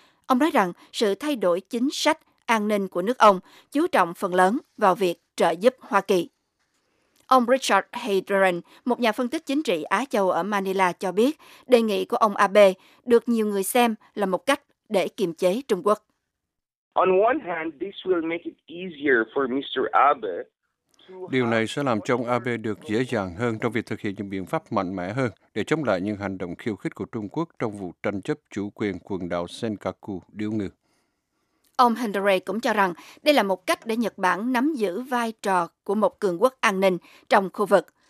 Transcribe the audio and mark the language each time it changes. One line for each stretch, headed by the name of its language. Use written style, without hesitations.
Vietnamese: Ông nói rằng sự thay đổi chính sách an ninh của nước ông chú trọng phần lớn vào việc trợ giúp Hoa Kỳ. Ông Richard Hayden, một nhà phân tích chính trị Á Châu ở Manila cho biết, đề nghị của ông Abe được nhiều người xem là một cách để kiềm chế Trung Quốc.
English: On one hand, this will make it easier for Mr. Abe.
Vietnamese: Điều này sẽ làm cho ông Abe được dễ dàng hơn trong việc thực hiện những biện pháp mạnh mẽ hơn để chống lại những hành động khiêu khích của Trung Quốc trong vụ tranh chấp chủ quyền quần đảo Senkaku điếu ngư. Ông Henry cũng cho rằng đây là một cách để Nhật Bản nắm giữ vai trò của một cường quốc an ninh trong khu vực.